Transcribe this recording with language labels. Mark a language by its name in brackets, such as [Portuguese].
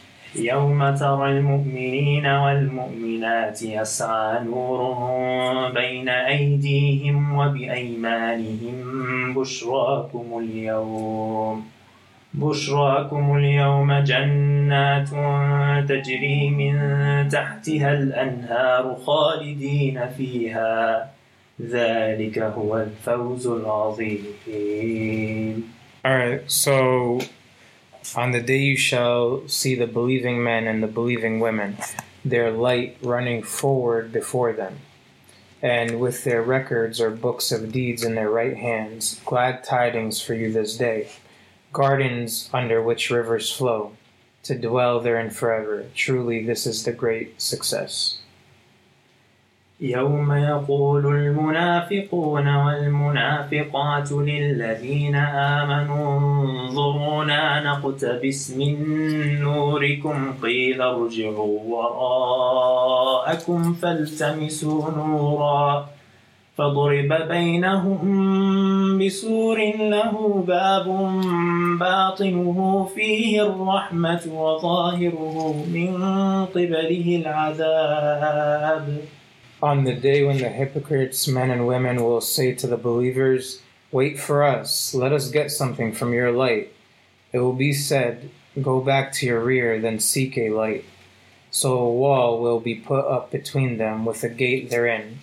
[Arabic] يَوْمَ تَرَى الْمُؤْمِنِينَ وَالْمُؤْمِنَاتِ يَسْعَى نُورُهُمْ بَيْنَ أَيْدِيهِمْ وَبِأَيْمَانِهِمْ بُشْرَاكُمُ الْيَوْمَ بشراكم اليوم جنات تجري من تحتها الأنهار خالدين فيها ذلك هو الفوز العظيم. [English] Alright, so on the day you shall see the believing men and the believing women, their light running forward before them, and with their records or books of deeds in their right hands, glad tidings for you this day. Gardens under which rivers flow, to dwell therein forever. Truly, this is the great success. [Arabic] يوم يقول المنافقون والمنافقات للذين آمنوا انظرونا نقتبس من نوركم قيل ارجعوا وراءكم فالتمسوا نورا فضرب بينهم بسور له باب باطنه فيه الرحمة وظاهره من قبله العذاب. [English] On the day when the hypocrites, men and women, will say to the believers, wait for us, let us get something from your light. It will be said, go back to your rear, then seek a light. So a wall will be put up between them with a gate therein.